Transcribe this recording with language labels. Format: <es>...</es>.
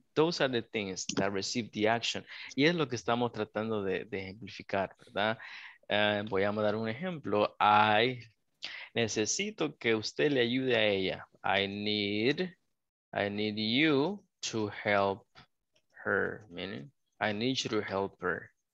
<en>Those are the things that receive the action.</en> <es>Y es lo que estamos tratando de ejemplificar, ¿verdad? Voy a dar un ejemplo. I necesito que usted le ayude a ella.</es> <en>I need you to help her. Meaning, I need you to help her.</en>